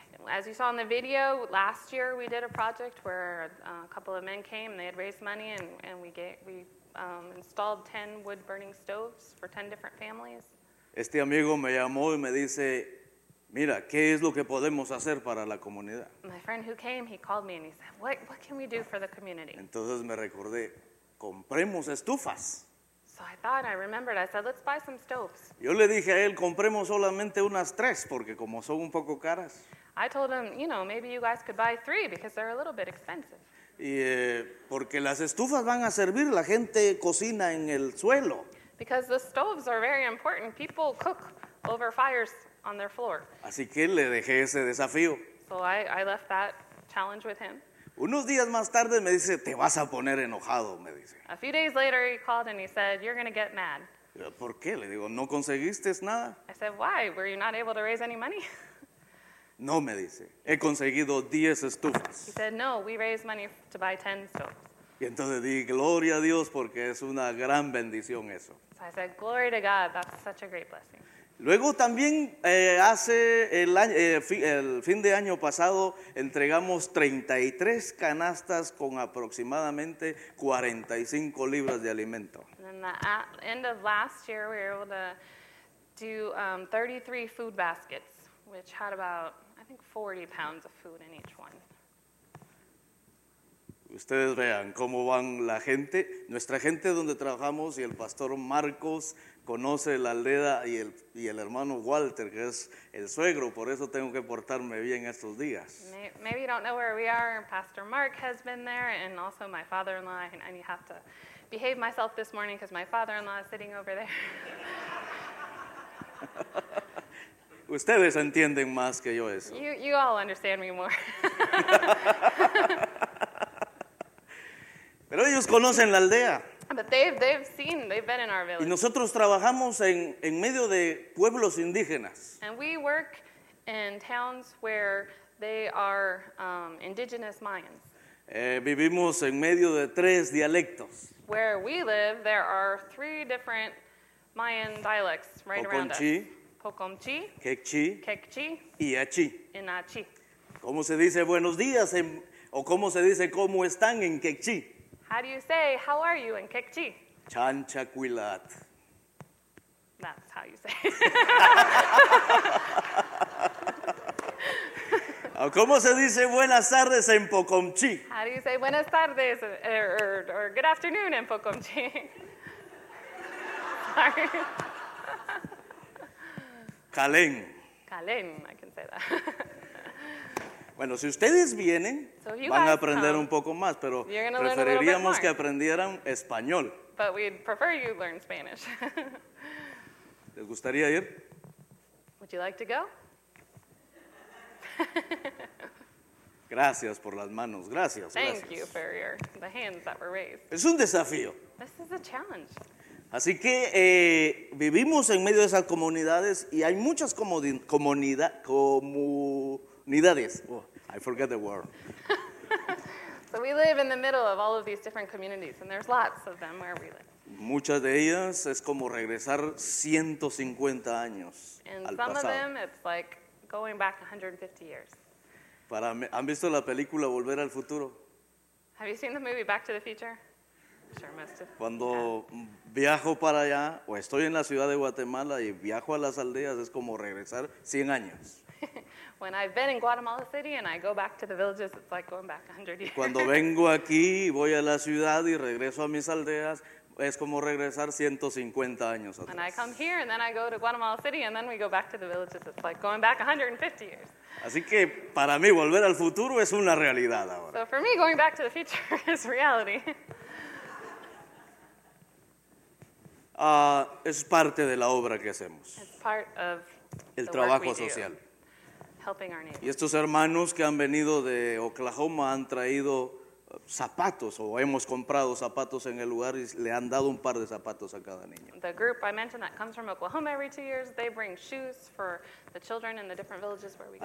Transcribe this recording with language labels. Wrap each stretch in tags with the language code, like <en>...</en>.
<en>As you saw in the video, last year we did a project where a couple of men came and they had raised money and we installed 10 wood burning stoves for 10 different families.</en> <es>Este amigo me llamó y me dice, mira, ¿qué es lo que podemos hacer para la comunidad?</es> <en>My friend who came, he called me and he said, what can we do for the community?</en> <es>Entonces me recordé, compremos estufas.</es> <en>So I thought, I remembered, I said, let's buy some stoves.</en> <es>Yo le dije a él, compremos solamente unas tres, porque como son un poco caras.</es> <en>I told him, you know, maybe you guys could buy three because they're a little bit expensive.</en> <es>Y porque las estufas van a servir, la gente cocina en el suelo.</es> <en>Because the stoves are very important. People cook over fires on their floor.</en> <es>Así que le dejé ese desafío.</es> <en>So I left that challenge with him.</en> <es>Unos días más tarde me dice, te vas a poner enojado, me dice.</es> <en>A few days later he called and he said, you're going to get mad.</en> <es>¿Por qué? Le digo, ¿no conseguiste nada?</es> <en>I said, why? Were you not able to raise any money?</en> <es>No, me dice, he conseguido 10 estufas.</es> <en>He said, no, we raised money to buy 10 stoves.</en> <es>Y entonces dije, gloria a Dios, porque es una gran bendición eso.</es> <en>So I said, glory to God, that's such a great blessing.</en> <es>Luego también hace el año, el fin de año pasado entregamos 33 canastas con aproximadamente 45 libras de alimento.</es> <en>And then at the end of last year we were able to do 33 food baskets, which had about, I think, 40 pounds of food in each one.</en> <es>Ustedes vean cómo van la gente. Nuestra gente donde trabajamos y el pastor Marcos conoce la aldea y el hermano Walter, que es el suegro. Por eso tengo que portarme bien estos días.</es> <en>Maybe you don't know where we are. Pastor Mark has been there and also my father-in-law. And you have to behave myself this morning because my father-in-law is sitting over there.</en> <es>Ustedes entienden más que yo eso.</es> <en>You all understand me more.</en> <es>Pero ellos conocen la aldea.</es> <en>But they've seen, they've been in our village.</en> <es>Y nosotros trabajamos en medio de pueblos indígenas.</es> <en>And we work in towns where they are indigenous Mayans.</en> <es>Vivimos en medio de tres dialectos.</es> <en>Where we live, there are three different Mayan dialects right</en> <es>Poconchi,</es> <en>around us. Poconchi,</en> <es>Kekchi,</es> <en>Kekchi,</en> <es>y Achi. Y Achi. ¿Cómo se dice buenos días en, o cómo se dice cómo están en Kekchi?</es> <en>How do you say, how are you in Kekchi?</en> <kek>Chanchakwilat.</kek> <en>That's how you say.</en> <es>¿Cómo se dice buenas tardes en Poconchi?</es> <en>How do you say</en> <es>buenas tardes</es> <en>or good afternoon in Poconchi?</en> <poh>Kalen.</poh> <en>Kalen, I can say that.</en> <es>Bueno, si ustedes vienen,</es> <en>so</en> <es>van a aprender un poco más, pero preferiríamos que aprendieran español.</es> <en>But we'd prefer you learn Spanish.</en> <es>¿Les gustaría ir?</es> <en>Would you like to go?</en> <es>Gracias por las manos, gracias.</es> <en>Thank</en> <es>gracias.</es> <en>You for your, the hands that were raised.</en> <es>Es un desafío.</es> <en>This is a challenge.</en> <es>Así que vivimos en medio de esas comunidades y hay muchas comunidades.</es> <en>Oh, I forget the word. So we live in the middle of all of these different communities, and there's lots of them where we live.</en> <es>Muchas de ellas es como regresar 150 años</es> <en>and</en> <es>al pasado.</es> <en>And some of them, it's like going back 150 years.</en> <es>¿Han visto la película Volver al Futuro?</es> <en>Have you seen the movie Back to the Future? I'm sure most of</en> <es>Cuando viajo para allá, o estoy en la ciudad de Guatemala y viajo a las aldeas, es como regresar 100 años.</es> <en>When I've been in Guatemala City and I go back to the villages, it's like going back 100 years.</en> <es>Cuando vengo aquí, voy a la ciudad y regreso a mis aldeas, es como regresar 150 años atrás.</es> <en>When I come here and then I go to Guatemala City and then we go back to the villages, it's like going back 150 years.</en> <es>Así que para mí volver al futuro es una realidad ahora.</es> <en>So for me, going back to the future is reality.</en> <es>Es parte de la obra que hacemos.</es> <en>It's part of</en> <es>el trabajo social. Y estos hermanos que han venido de Oklahoma han traído zapatos o hemos comprado zapatos en el lugar y le han dado un par de zapatos a cada niño.</es> <en>The group I mentioned that comes from Oklahoma every 2 years, they bring shoes for the children in the different villages where we go.</en>